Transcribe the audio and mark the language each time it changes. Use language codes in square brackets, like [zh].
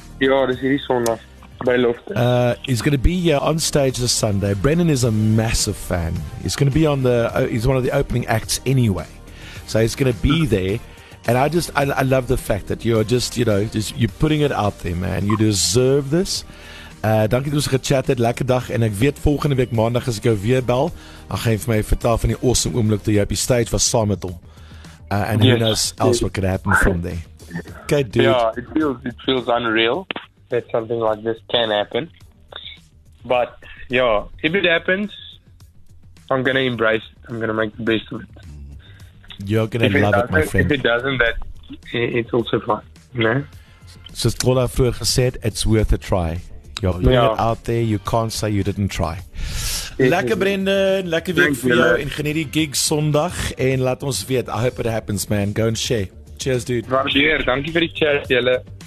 [af] Ja, dis hierdie Sondag. By Lofte. [en] He's going to be here on stage this Sunday. Brendan is a massive fan. He's going to be on the... he's one of the opening acts anyway. So he's going to be there. And I just... I love the fact that you're just, you know, just you're putting it out there, man. You deserve this. [af] Dankie dat ons gechat het. Lekker dag. En ek weet volgende week maandag as ek jou weer bel, dan gaan jy vir my vertel van die awesome oomblik dat jy op die stage was saam met hom. [en] And who knows else what could happen from there. Okay, dude. Yeah, it feels unreal that something like this can happen. But, yeah, if it happens, I'm going to embrace it. I'm going to make the best of it. You're going to love it, my friend. If it doesn't, that it's also fine. No? So, Trolla vroeger said, it's worth a try. You're out there, you can't say you didn't try. [af] Lekker Brendan, lekker week voor jou en geniet die gig Sondag en laat ons weet. [en] I hope it happens, man. Go and share. Cheers, dude. [af] Waardeer, dankie vir die chat, julle.